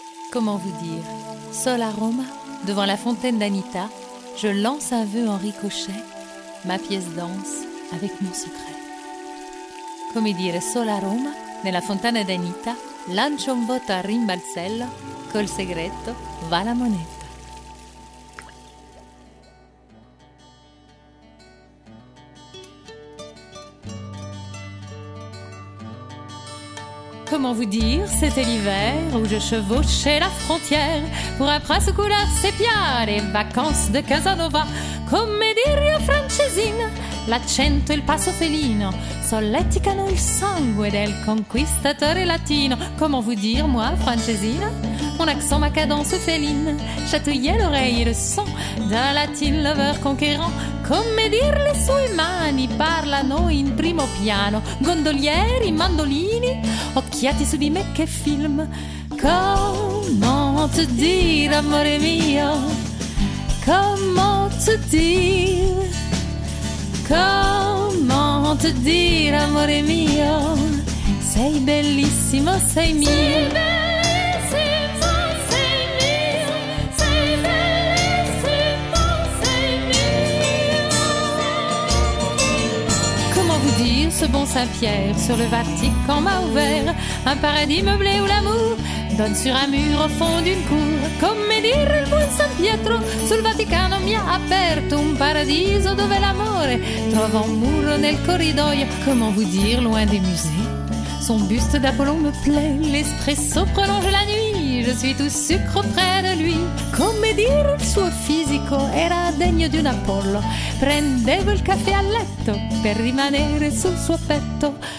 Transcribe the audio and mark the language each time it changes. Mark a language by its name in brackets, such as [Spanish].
[French] Comment vous dire ? Sol à Roma, devant La Fontaine d'Anita, je lance un vœu en ricochet, ma pièce danse avec mon secret. [Italian] Come dire solo a Roma, nella fontana d'Anita, lancio un voto a rimbalzello, col segreto va la moneta. [French] Comment vous dire, c'était l'hiver où je chevauchais la frontière pour un prince aux couleurs sépia, les vacances de Casanova. [Italian] Come dire, francesina, l'accento e il passo felino solleticano il sangue del conquistatore latino. [French] Comment vous dire, moi, francesina, mon accent, ma cadence féline chatouillait l'oreille et le son d'un latin lover conquérant. [Italian] Come dire, le sue mani parlano in primo piano gondolieri, mandolini occhiati su di me che film. [French] Comment te dire, [Italian] amore mio, [French] comment te dire. Comment te dire, [Italian] amore mio, sei bellissimo, sei mio. Sei bellissimo, sei mio. Sei bellissimo, sei mio. [French] Comment vous dire, ce bon Saint-Pierre sur le Vatican m'a ouvert un paradis meublé où l'amour donne sur un mur au fond d'une cour. [Italian] Come dire, il buon San Pietro sul Vaticano mi ha aperto un paradiso dove l'amore trova un muro nel corridoio. [French] Comment vous dire, loin des musées, son buste d'Apollon me plaît, l'espresso prolonge la nuit, je suis tout sucre près de lui. [Italian] Come dire, il suo fisico era degno di un Apollo, prendevo il caffè a letto per rimanere sul suo petto.